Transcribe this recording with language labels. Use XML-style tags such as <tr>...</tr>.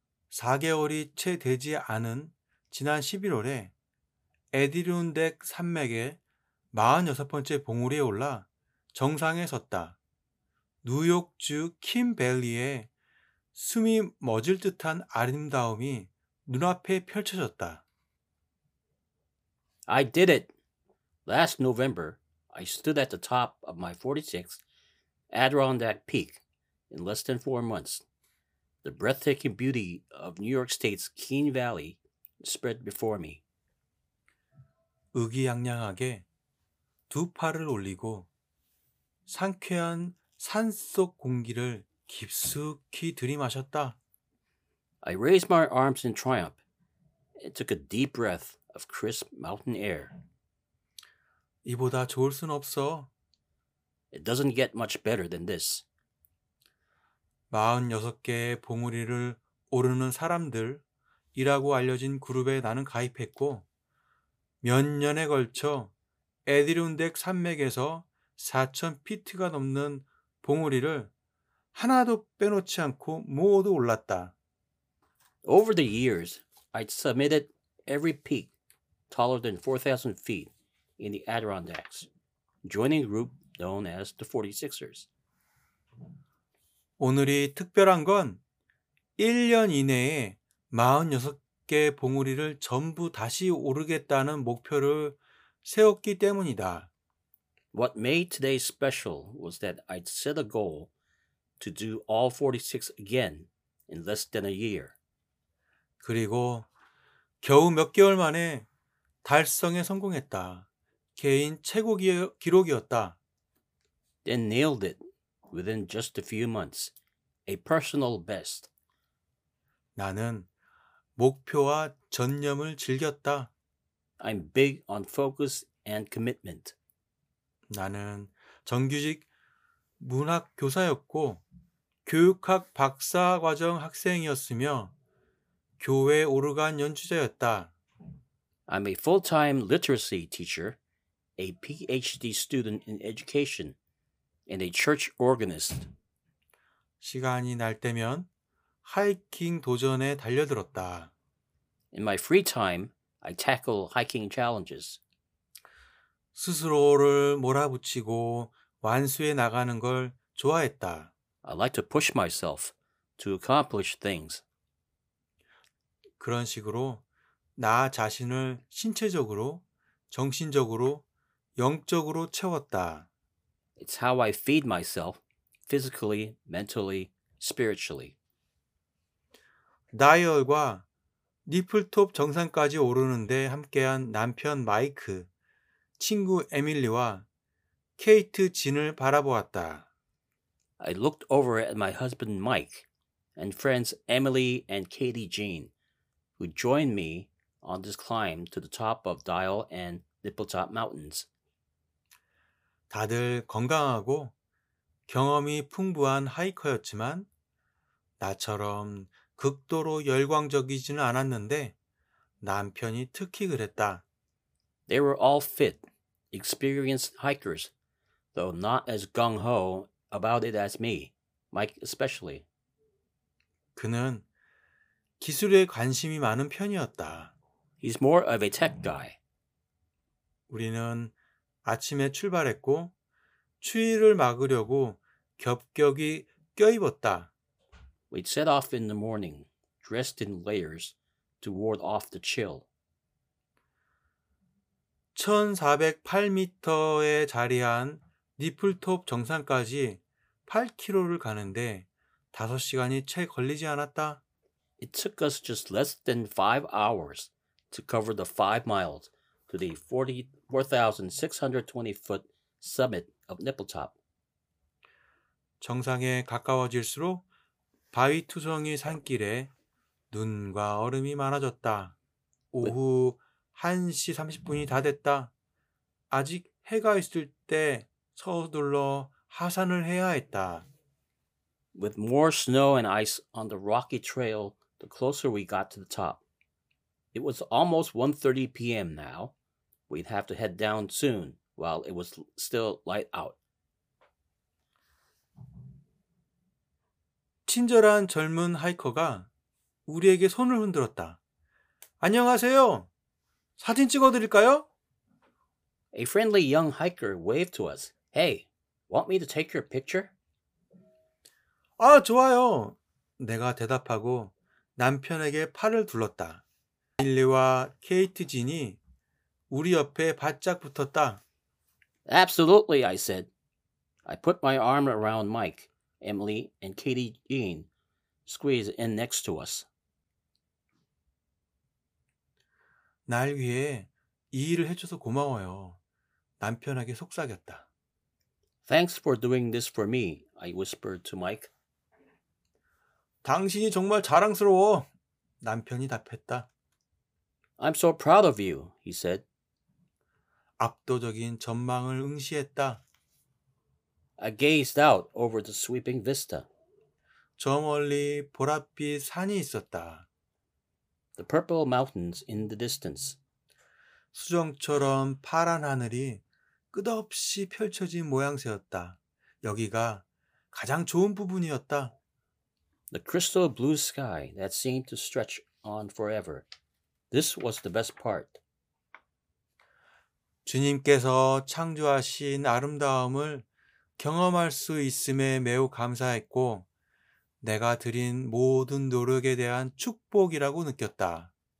<ko>4개월이 채 되지 않은 지난 11월에 에디룬덱 산맥의 46번째 봉우리에 올라 정상에 섰다. 뉴욕주 킴밸리에 숨이 멎을 듯한 아름다움이 눈앞에 펼쳐졌다.</ko> <en>I did it. Last November, I stood at the top of my 46th Adirondack Peak in less than 4 months. The breathtaking beauty of New York State's Keen Valley spread before me.</en> <ko>의기양양하게 두 팔을 올리고 상쾌한 산속 공기를 깊숙이 들이마셨다.</ko> <en>I raised my arms in triumph and took a deep breath of crisp mountain air.</en> <ko>이보다 좋을 순 없어.</ko> <en>It doesn't get much better than this.</en> <ko>46개의 봉우리를 오르는 사람들이라고 알려진 그룹에 나는 가입했고 몇 년에 걸쳐 에디룬덱 산맥에서 4,000피트가 넘는 봉우리를 하나도 빼놓지 않고 모두 올랐다.</ko> <en>Over the years, I'd submitted every peak taller than 4,000 feet in the Adirondacks, joining a group known as the 46ers.</en> <ko>오늘이 특별한 건 1년 이내에 46개 봉우리를 전부 다시 오르겠다는 목표를 세웠기 때문이다.</ko> <en>What made today special was that I'd set a goal to do all 46 again in less than a year.</en> <ko>그리고 겨우 몇 개월 만에 달성에 성공했다. 개인 최고 기록이었다.</ko> <en>Then nailed it within just a few months, a personal best.</en> <ko>나는 목표와 전념을 즐겼다.</ko> <en>I'm big on focus and commitment.</en> <ko>나는 정규직 문학 교사였고 교육학 박사 과정 학생이었으며 교회 오르간 연주자였다.</ko> <en>I'm a full-time literacy teacher, a PhD student in education, and a church organist.</en> <ko>시간이 날 때면 하이킹 도전에 달려들었다.</ko> <en>In my free time, I tackle hiking challenges.</en> <ko>스스로를 몰아붙이고 완수해 나가는 걸 좋아했다.</ko> <en>I like to push myself to accomplish things.</en> <ko>그런 식으로 나 자신을 신체적으로, 정신적으로, 영적으로 채웠다.</ko> <en>It's how I feed myself physically, mentally, spiritually.</en> <ko>나열과 니플톱 정상까지 오르는데 함께한 남편 마이크, 친구 에밀리와 케이트 진을 바라보았다.</ko> <en>I looked over at my husband Mike and friends Emily and Katie Jean, who joined me on this climb to the top of Dial and Nippletop Mountains.</en> <ko>다들 건강하고 경험이 풍부한 하이커였지만 나처럼 극도로 열광적이지는 않았는데 남편이 특히 그랬다.</ko> <en>They were all fit, experienced hikers, though not as gung-ho about it as me, Mike especially.</en> <ko>그는 기술에 관심이 많은 편이었다.</ko> <en>He's more of a tech guy.</en> <ko>우리는 아침에 출발했고 추위를 막으려고 겹겹이 껴입었다.</ko> <en>We set off in the morning, dressed in layers to ward off the chill.</en> <ko>1408m에 자리한 니플톱 정상까지 8km를 가는데 5시간이 채 걸리지 않았다.</ko> <en>It took us just less than 5 hours to cover the 5 miles to the 44,620-foot summit of Nippletop.</en> <ko>정상에 가까워질수록 바위 투성이 산길에 눈과 얼음이 많아졌다. 오후 1시 30분이 다 됐다. 아직 해가 있을 때 서둘러 하산을 해야 했다.</ko> <en>With more snow and ice on the rocky trail, the closer we got to the top. It was almost 1:30 p.m. now, We'd have to head down soon while it was still light out.</en> <ko>친절한 젊은 하이커가 우리에게 손을 흔들었다. 안녕하세요. 사진 찍어드릴까요?</ko> <en>A friendly young hiker waved to us. Hey, want me to take your picture?</en> <ko>아, 좋아요. 내가 대답하고 남편에게 팔을 둘렀다. 빌리와 케이트 진이 우리 옆에 바짝 붙었다.</ko> <en>Absolutely, I said. I put my arm around Mike, Emily, and Katie Jean squeezed in next to us.</en> <ko>날 위해 이 일을 해줘서 고마워요. 남편에게 속삭였다.</ko> <en>Thanks for doing this for me, I whispered to Mike.</en> <ko>당신이 정말 자랑스러워, 남편이 답했다.</ko> <en>I'm so proud of you, he said.</en> <ko>압도적인 전망을 응시했다.</ko> <en>I gazed out over the sweeping vista.</en> <ko>저 멀리 보랏빛 산이 있었다.</ko> <en>The purple mountains in the distance.</en> <ko>수정처럼 파란 하늘이 끝없이 펼쳐진 모양새였다. 여기가 가장 좋은 부분이었다.</ko> <en>The crystal blue sky that seemed to stretch on forever. This was the best part.</en> <ko>주님께서 창조하신 아름다움을 경험할 수 있음에 매우 감사했고 내가 드린 모든 노력에 대한 축복이라고 느꼈다.</ko>